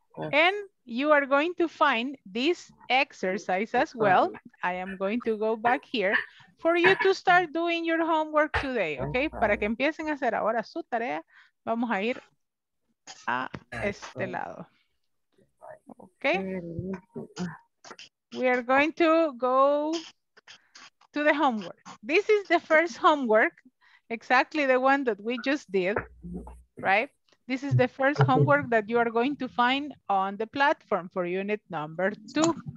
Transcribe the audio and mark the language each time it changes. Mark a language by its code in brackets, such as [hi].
[en] And you are going to find this exercise as well. I am going to go back here for you to start doing your homework today, okay? [es] Para que empiecen a hacer ahora su tarea, vamos a ir a este lado. [en] Okay, we are going to go to the homework. This is the first homework, exactly the one that we just did, right? This is the first homework that you are going to find on the platform for unit number 2.